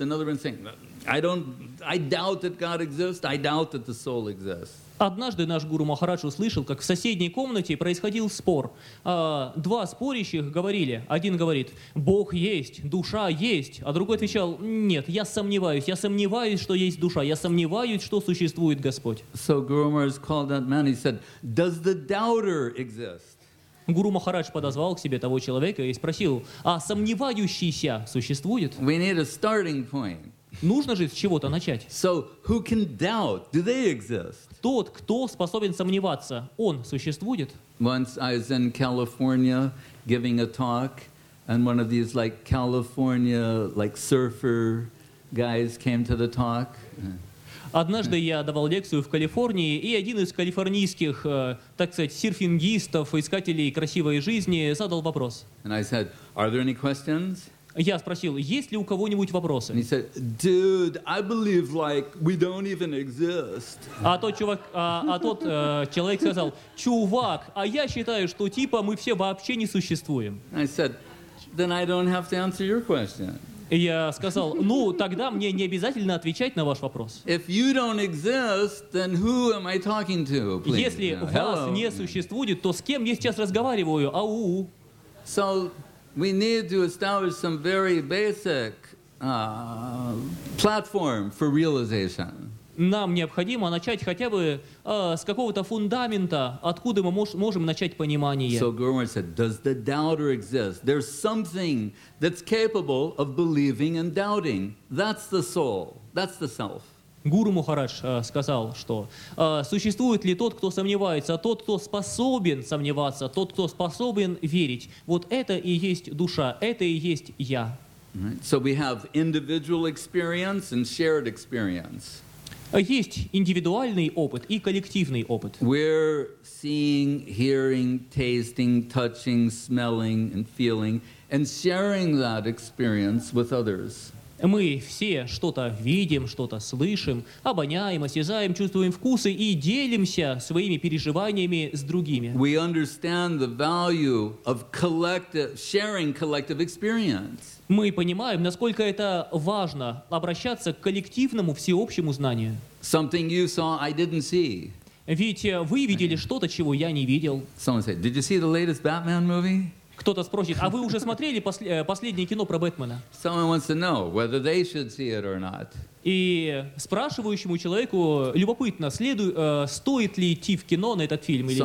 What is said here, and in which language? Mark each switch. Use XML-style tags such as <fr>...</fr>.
<en>Another man saying, I doubt that God exists, I doubt that the soul exists.</en> <ru>Однажды наш Гуру Махарадж услышал, как в соседней комнате происходил спор. Два спорящих говорили, один говорит, Бог есть, душа есть, а другой отвечал, нет, я сомневаюсь, что есть душа, я сомневаюсь, что существует Господь.</ru> <en>So Guru Maharaj called that man, he said, does the doubter exist?</en> <ru>Гуру Махарадж подозвал к себе того человека и спросил, а сомневающийся существует?</ru> <en>We need a starting point.</en> <ru>Нужно же с чего-то начать.</ru> <en>So who can doubt? Do they exist?</en> <ru>Тот, кто способен сомневаться, он существует?</ru> <en>Once I was in California giving a talk, and one of these like California like surfer guys came to the talk.</en> <ru>Однажды я давал лекцию в Калифорнии, и один из калифорнийских, так сказать, серфингистов, искателей красивой жизни, задал вопрос.</ru> <en>And I said, are there any questions?</en> <ru>Я спросил, есть ли у кого-нибудь вопросы?</ru> <en>He said, dude, I believe like we don't even exist.</en> <ru>А тот человек сказал, чувак, а я считаю, что типа мы все вообще не существуем.</ru> <en>I said, then I don't have to answer your question.</en> <ru>Я сказал, ну тогда мне не обязательно отвечать на ваш вопрос.</ru> <en>If you don't exist, then who am I talking to, please?</en> <ru>Если вас не существует, то с кем я сейчас разговариваю? Ау.</ru> <en>So we need to establish some very basic platform for realization.</en> <ru>Нам необходимо начать хотя бы с какого-то фундамента, откуда мы можем начать понимание.</ru> <en>So Guru Maharaj said, does the doubter exist? There's something that's capable of believing and doubting. That's the soul. That's the self.</en> <ru>Гуру Мухарадж сказал, что существует ли тот, кто сомневается, тот, кто способен сомневаться, тот, кто способен верить. Вот это и есть душа, это и есть я.</ru> <en>Right. So we have individual experience and shared experience.</en> <ru>Есть индивидуальный опыт и коллективный опыт.</ru> <en>We're seeing, hearing, tasting, touching, smelling and feeling and sharing that experience with others.</en> <ru>Мы все что-то видим, что-то слышим, обоняем, осязаем, чувствуем вкусы и делимся своими переживаниями с другими.</ru> <en>We understand the value of collective, sharing collective experience.</en> <ru>Мы понимаем, насколько это важно обращаться к коллективному всеобщему знанию.</ru> <en>Something you saw, I didn't see.</en> <ru>Ведь вы видели что-то, чего я не видел.</ru> <en>Someone said, "Did you see the latest Batman movie?"</en> <ru>Кто-то спросит, а вы уже смотрели последнее кино про Бэтмена?</ru> <en>Someone wants to know whether they should see it or not.</en> <ru>И спрашивающему человеку любопытно, стоит ли идти в кино на этот фильм или нет.</ru>